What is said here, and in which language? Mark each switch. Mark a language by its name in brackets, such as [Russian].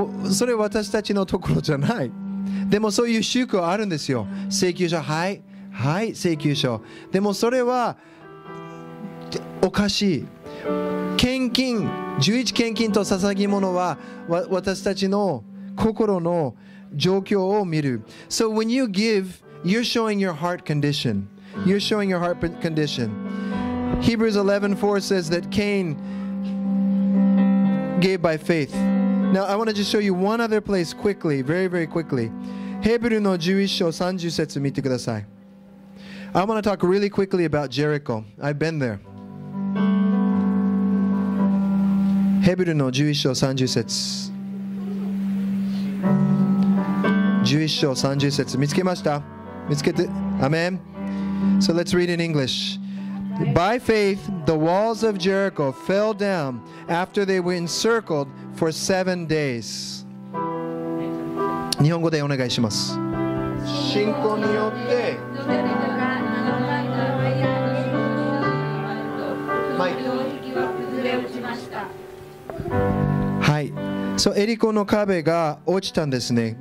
[Japanese] それは私たちのところじゃない。でもそういう宗教あるんですよ。請求書、はい、はい、請求書。でもそれはおかしい。献金、11献金と捧げ物は私たちの心の状況を見る。 [English] So when you give, you're showing your heart condition. You're showing your heart condition. Hebrews 11:4 says that Cain gave by faith. Now I want to just show you one other place quickly, very, very quickly. [Japanese] ヘブルの11章30節見てください。 [English] I want to talk really quickly about Jericho. I've been there. [Japanese] ヘブルの11章30節。 11章30節。見つけました。見つけて。アメン。 [English] So let's read in English. By faith, the walls of Jericho fell down after they were encircled for 7 days. [Japanese] 日本語でお願いします。信仰によって、はい、はい、そう、エリコの壁が落ちたんですね。